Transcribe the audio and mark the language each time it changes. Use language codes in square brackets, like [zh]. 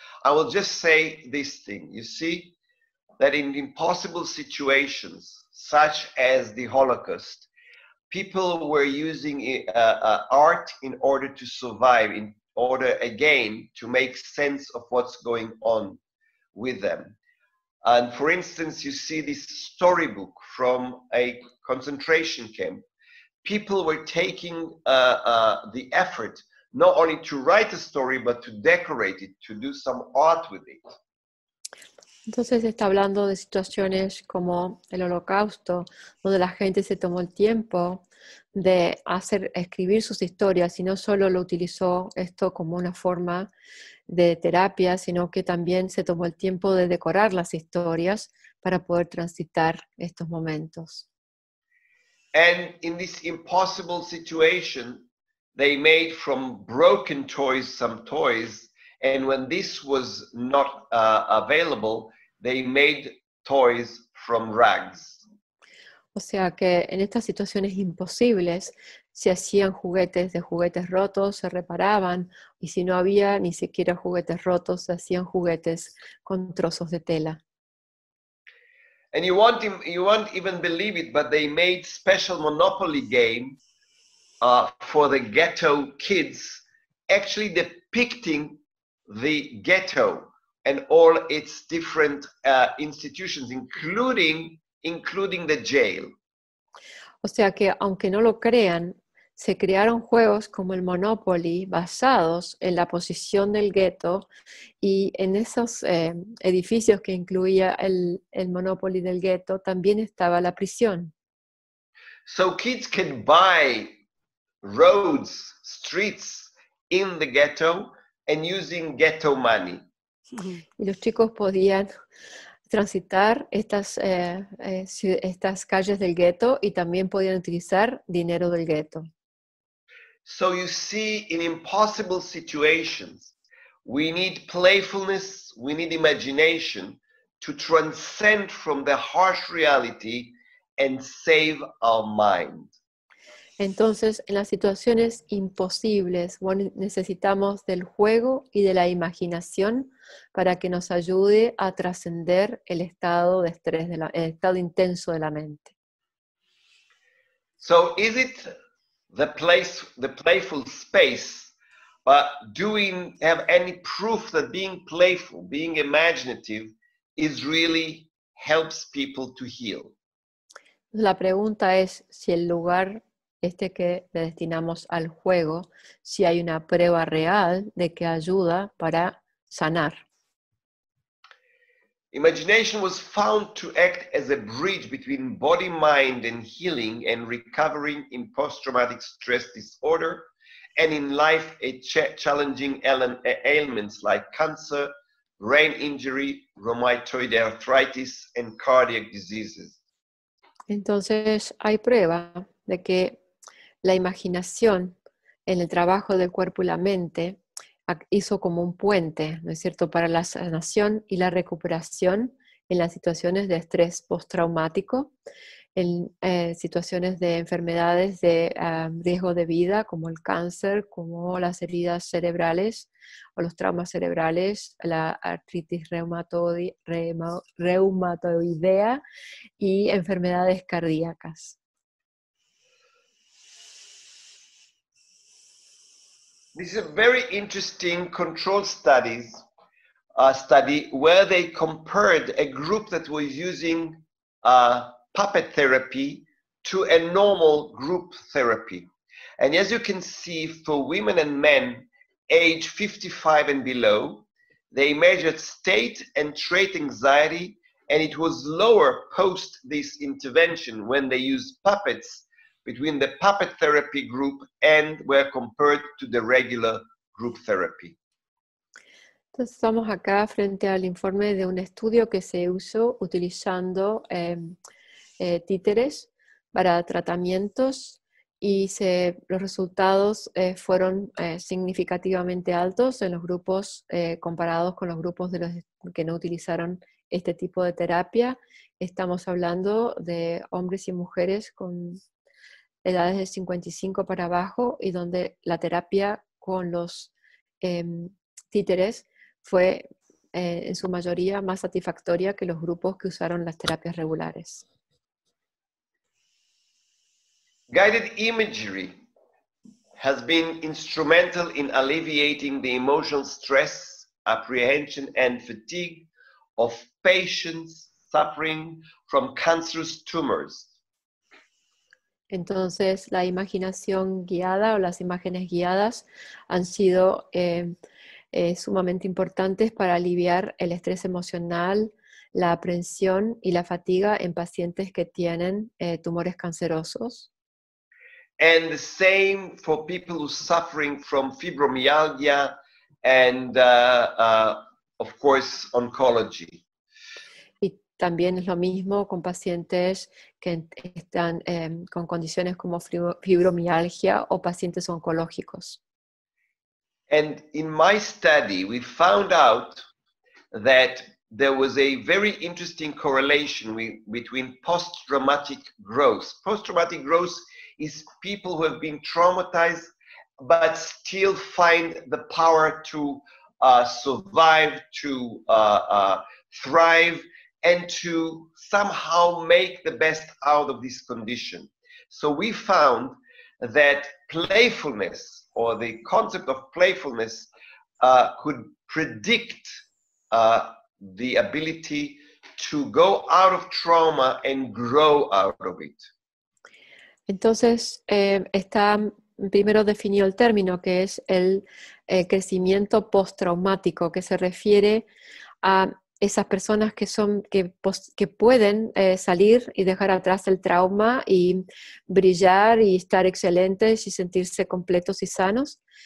[en] I will just say this thing. You see that in impossible situations, such as the Holocaust, people were using art in order to survive, in order again to make sense of what's going on with them. And for instance, you see this storybook from a concentration camp. People were taking the effort not only to write a story, but to decorate it, to do some art with it. [es] Entonces está hablando de situaciones como el Holocausto, donde la gente se tomó el tiempo de hacer escribir sus historias y no solo lo utilizó esto como una forma de terapia, sino que también se tomó el tiempo de decorar las historias para poder transitar estos momentos. [en] And in this impossible situation, they made from broken toys some toys, and when this was not available, they made toys from rags. [es] O sea que en estas situaciones imposibles se hacían juguetes de juguetes rotos, se reparaban, y si no había ni siquiera juguetes rotos, se hacían juguetes con trozos de tela. [en] And you won't even believe it, but they made special Monopoly game for the ghetto kids, actually depicting the ghetto and all its different institutions, including the jail. [es] O sea que, aunque no lo crean, se crearon juegos como el Monopoly basados en la posición del ghetto y en esos edificios que incluía el Monopoly del ghetto también estaba la prisión. [en] So kids can buy roads, streets in the ghetto and using ghetto money. [es] Y los chicos podían transitar estas calles del gueto y también podían utilizar dinero del gueto. [en] So you see, in impossible situations, we need playfulness, we need imagination to transcend from the harsh reality and save our mind. [es] Entonces, en las situaciones imposibles, necesitamos del juego y de la imaginación para que nos ayude a trascender el estado de estrés, el estado intenso de la mente. [en] So, is it the place, the playful space, but do we have any proof that being playful, being imaginative, is really helps people to heal. [es] La pregunta es si el lugar este que le destinamos al juego, si hay una prueba real de que ayuda para sanar. [en] Imagination was found to act as a bridge between body, mind, and healing and recovering in post-traumatic stress disorder and in life challenging ailments like cancer, brain injury, rheumatoid arthritis, and cardiac diseases. [es] Entonces, hay prueba de que la imaginación en el trabajo del cuerpo y la mente hizo como un puente, ¿no es cierto?, para la sanación y la recuperación en las situaciones de estrés postraumático, en situaciones de enfermedades de riesgo de vida, como el cáncer, como las heridas cerebrales o los traumas cerebrales, la artritis reumatoidea y enfermedades cardíacas. [en] This is a very interesting control studies study where they compared a group that was using puppet therapy to a normal group therapy. And as you can see, for women and men age 55 and below, they measured state and trait anxiety, and it was lower post this intervention when they used puppets between the puppet therapy group and were compared to the regular group therapy. [es] Entonces estamos acá frente al informe de un estudio que se usó utilizando títeres para tratamientos y los resultados fueron significativamente altos en los grupos comparados con los grupos de los que no utilizaron este tipo de terapia. Estamos hablando de hombres y mujeres con edades de 55 para abajo y donde la terapia con los títeres fue en su mayoría más satisfactoria que los grupos que usaron las terapias regulares. [en] Guided imagery has been instrumental in alleviating the emotional stress, apprehension and fatigue of patients suffering from cancerous tumors. [es] Entonces, la imaginación guiada o las imágenes guiadas han sido sumamente importantes para aliviar el estrés emocional, la aprensión y la fatiga en pacientes que tienen tumores cancerosos. [en] And the same for people who are suffering from fibromyalgia and, of course, oncology. [es] También es lo mismo con pacientes que están con condiciones como fibromialgia o pacientes oncológicos. [en] And in my study, we found out that there was a very interesting correlation between post-traumatic growth. Post-traumatic growth is people who have been traumatized but still find the power to survive, to thrive, and to somehow make the best out of this condition. So we found that playfulness, or the concept of playfulness, could predict the ability to go out of trauma and grow out of it. [es] Entonces, está primero definido el término, que es el crecimiento postraumático, que se refiere a esas personas que son que pueden salir y dejar atrás el trauma y brillar y estar excelentes y sentirse completos y sanos.